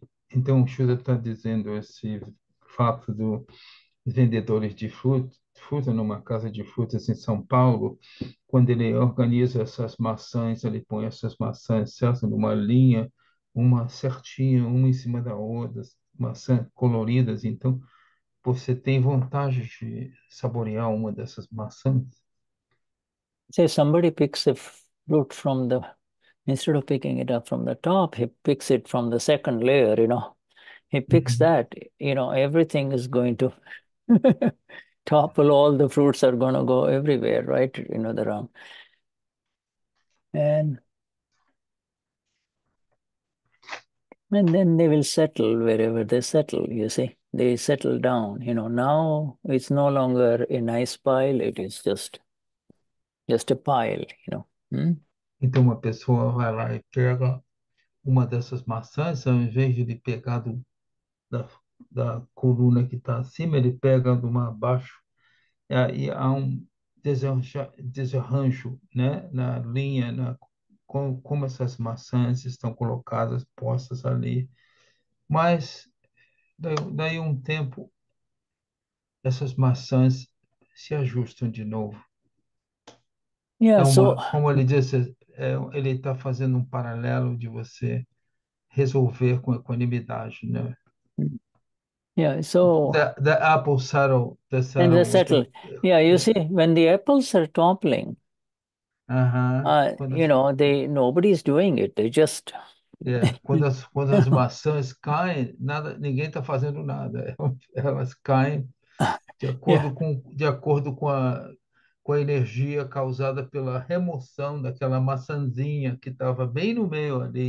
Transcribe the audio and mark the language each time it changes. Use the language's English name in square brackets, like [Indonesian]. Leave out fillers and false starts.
[Portuguese] Então, o Shuda está dizendo esse fato dos vendedores de fruta numa casa de frutas em São Paulo, quando ele organiza essas maçãs, ele põe essas maçãs certas numa linha, uma certinha, uma em cima da outra, maçãs coloridas. Então, você tem vontade de saborear uma dessas maçãs? [English] Say somebody picks a fruit from the, instead of picking it up from the top, he picks it from the second layer, He picks that, everything is going to topple, all the fruits are going to go everywhere, right? The realm. And then they will settle wherever they settle, you see. They settle down, Now it's no longer a nice pile, it is just a pile, [Portuguese] Então uma pessoa vai lá e pega uma dessas maçãs, ao invés de pegar da coluna que está acima, ele pega de uma abaixo, e aí há um desarranjo, né, na linha, como essas maçãs estão colocadas, postas ali. Mas daí um tempo, essas maçãs se ajustam de novo. É uma, como ele disse, ele está fazendo um paralelo de você resolver com equanimidade, né? [English] The apple settle, the And they settle is settle. going to. Yeah, you see, when the apples are toppling, [Portuguese] Quando as. [English] nobody's doing it. They just [Portuguese] Quando as maçãs caem, ninguém está fazendo nada. Elas caem de acordo com a energia causada pela remoção daquela maçãzinha que estava bem no meio ali.